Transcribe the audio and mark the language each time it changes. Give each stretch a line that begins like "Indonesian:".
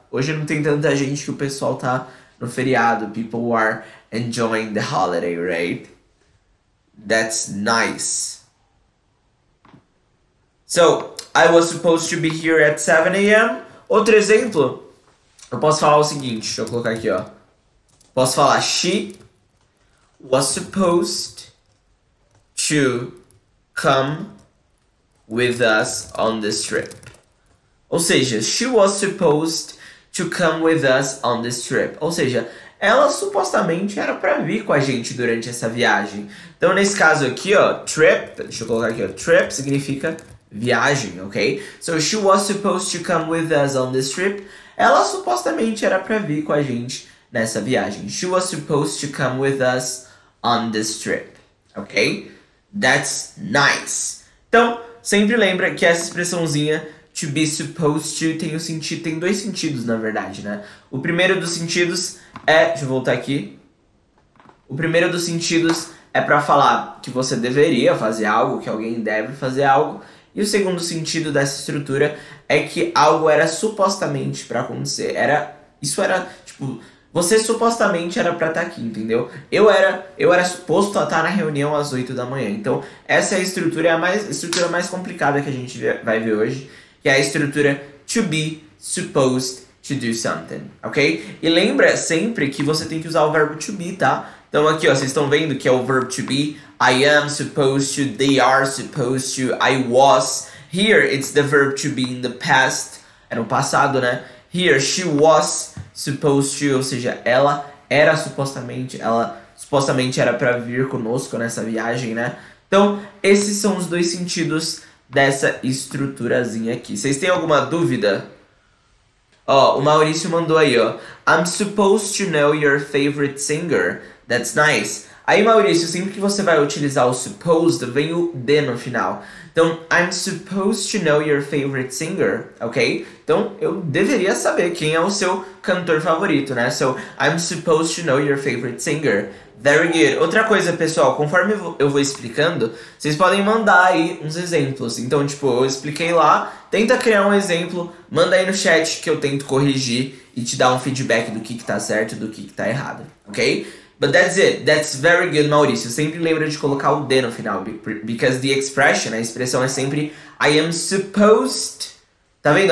Portuguese: Hoje não tem tanta gente que o pessoal tá no feriado.
English: People are enjoying the holiday, right? That's nice. So, I was supposed to be here at 7 a.m.
Portuguese: Outro exemplo, eu posso falar o seguinte, deixa eu colocar aqui, ó. Posso falar,
English: she was supposed to come with us on this trip.
Portuguese: Ou seja,
English: she was supposed to come with us on this trip.
Portuguese: Ou seja, ela supostamente era para vir com a gente durante essa viagem. Então, nesse caso aqui, ó, trip, deixa eu colocar aqui, ó, trip significa viagem, ok?
English: So she was supposed to come with us on this trip.
Portuguese: Ela supostamente era para vir com a gente nessa viagem.
English: She was supposed to come with us on this trip. Ok? That's nice.
Portuguese: Então, sempre lembra que essa expressãozinha to be supposed to tem o sentido, tem dois sentidos, na verdade, né? O primeiro dos sentidos é, deixa eu voltar aqui. O primeiro dos sentidos é para falar que você deveria fazer algo, que alguém deve fazer algo. E o segundo sentido dessa estrutura é que algo era supostamente para acontecer. Era, isso era, tipo, você supostamente era para estar aqui, entendeu? Eu era suposto a estar na reunião às 8 da manhã. Então, essa é a estrutura, é a mais estrutura mais complicada que a gente vai ver hoje. Que é a estrutura to be supposed to do something, ok? E lembra sempre que você tem que usar o verbo to be, tá? Então aqui, ó, vocês estão vendo que é o verbo to be.
English: I am supposed to, they are supposed to, I was. Here, it's the verb to be in the past.
Portuguese: É no passado, né?
English: Here, she was supposed to,
Portuguese: ou seja, ela supostamente era para vir conosco nessa viagem, né? Então, esses são os dois sentidos dessa estruturazinha aqui. Vocês têm alguma dúvida? Ó, o Maurício mandou aí, ó.
English: I'm supposed to know your favorite singer. That's nice.
Portuguese: Aí, Maurício, sempre que você vai utilizar o supposed, vem o D no final. Então,
English: I'm supposed to know your favorite singer, ok?
Portuguese: Então, eu deveria saber quem é o seu cantor favorito, né?
English: So, I'm supposed to know your favorite singer. Very good.
Portuguese: Outra coisa, pessoal, conforme eu vou explicando, vocês podem mandar aí uns exemplos. Então, tipo, eu expliquei lá, tenta criar um exemplo, manda aí no chat que eu tento corrigir e te dar um feedback do que tá certo e do que tá errado, ok?
English: But that's it. That's very good,
Portuguese: Maurício. Sempre lembra de colocar o D no final,
English: because the expression,
Portuguese: a expressão é sempre
English: I am supposed.
Portuguese: Tá vendo?